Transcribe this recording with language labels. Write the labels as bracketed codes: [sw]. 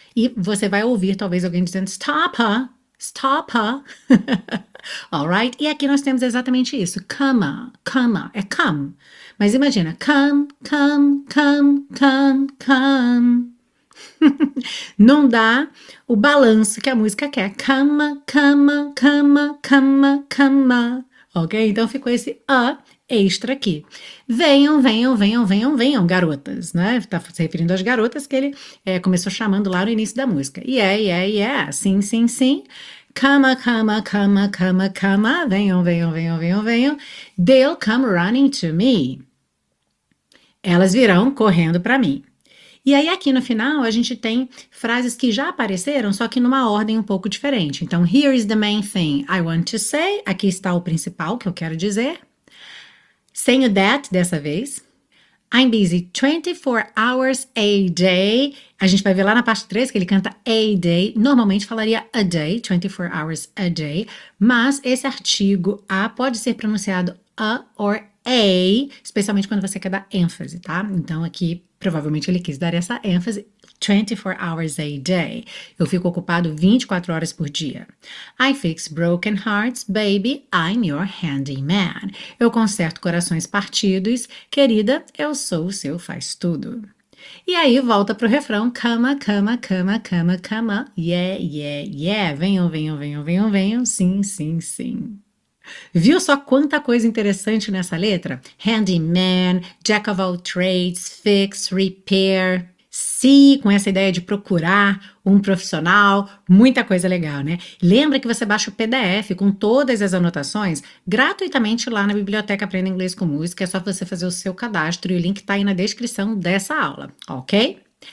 [pt] E você vai ouvir talvez alguém dizendo [en] stop her, stop her. All right? [pt] E aqui nós temos exatamente isso. Come, come, é come. Mas imagina, [en] come, come, come, come, come. [pt] Não dá o balanço que a música quer. [en] Come, come, come, come, come. Ok? [pt] Então ficou esse a extra aqui. Venham, venham, venham, venham, venham, garotas, né? Tá se referindo às garotas que ele começou chamando lá no início da música. [en] Yeah. [pt] Sim. [en] Come, come, come, come, come. [pt] Venham, venham, venham, venham, venham. [en] They'll come running to me. [pt] Elas virão correndo para mim. E aí aqui no final a gente tem frases que já apareceram, só que numa ordem um pouco diferente. [en] Então, here is the main thing I want to say. [pt] Aqui está o principal que eu quero dizer. Sem o that dessa vez. [en] I'm busy 24 hours a day. [pt] A gente vai ver lá na parte 3 que ele canta a day. Normalmente falaria a day, [en] 24 hours a day. [pt] Mas esse artigo a pode ser pronunciado a or a, especialmente quando você quer dar ênfase, tá? Então aqui provavelmente ele quis dar essa ênfase. [en] 24 hours a day. [pt] Eu fico ocupado 24 horas por dia. [en] I fix broken hearts, baby, I'm your handyman. [pt] Eu conserto corações partidos, querida, eu sou o seu faz-tudo. E aí volta pro refrão. [en] Come, come, come, come, come. Yeah. [pt] Venham, venham, venham, venham, venham. Sim. Viu só quanta coisa interessante nessa letra? Handyman, jack of all trades, fix, repair. Sim, com essa ideia de procurar um profissional, muita coisa legal, né? Lembra que você baixa o PDF com todas as anotações gratuitamente lá na Biblioteca Aprenda Inglês com Música. É só você fazer o seu cadastro e o link está aí na descrição dessa aula, ok?